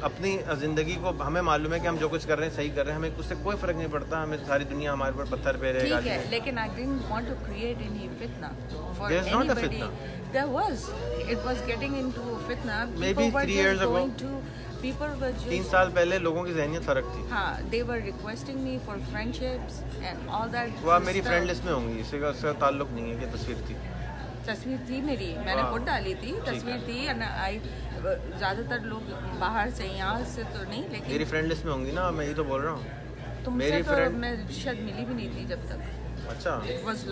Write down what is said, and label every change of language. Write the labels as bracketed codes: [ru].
[ur] اپنی زندگی کو ہمیں معلوم ہے کہ ہم جو کچھ کر رہے ہیں صحیح کر رہے ہیں, ہمیں اس سے کوئی فرق نہیں پڑتا, ہمیں ساری دنیا ہمارے اوپر پتھر پہ رہے گا. ٹھیک ہے, لیکن [en] I didn't want to create any فتنہ for anybody. There was, it was getting into فتنہ maybe 3 years ago. People were just [ur] 3 سال پہلے لوگوں کی ذہنیت فرق تھی. ہاں, [en] They were requesting me for friendships and all that. [ur] وہ میری فرینڈ لسٹ میں ہوں گی, اس سے تعلق نہیں ہے کہ تصویر تھی. تصویر تھی میری, میں نے خود ڈالی تھی تصویر تھی. آئی زیادہ تر لوگ باہر سے یہاں سے تو نہیں, لیکن میری فرینڈ لسٹ میں ہوں گی نا, میں یہ تو بول رہا ہوں. تم سے تو میں شاید ملی بھی نہیں تھی جب تک.